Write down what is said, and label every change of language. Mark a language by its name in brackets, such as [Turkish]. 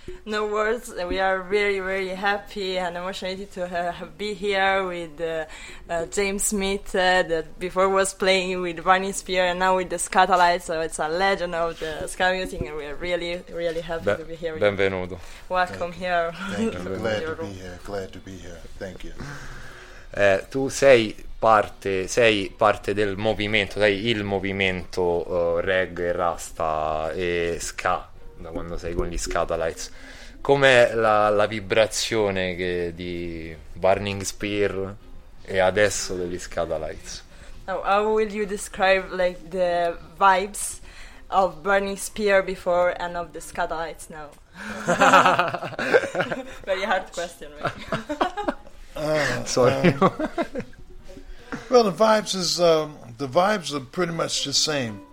[English] No words, we are very, very happy and emotionated to be here with James Smith, that before was playing with Burning Spear and now with the Scada Lights, so it's a legend of the ska music and we are really, really happy to be here. [Italian] Benvenuto. [English] Welcome thank here. Thank you. Glad to be here, glad to be here, thank you. [Italian] Tu sei parte del movimento, sei il movimento reggae, rasta e ska. Da quando sei con gli Scada Lights, com'è la vibrazione di Burning Spear e adesso degli Scada Lights? [English] How will you describe like the vibes of Burning Spear before and of the Scada Lights now? Very hard question. Sorry. Well, the vibes are pretty much the same.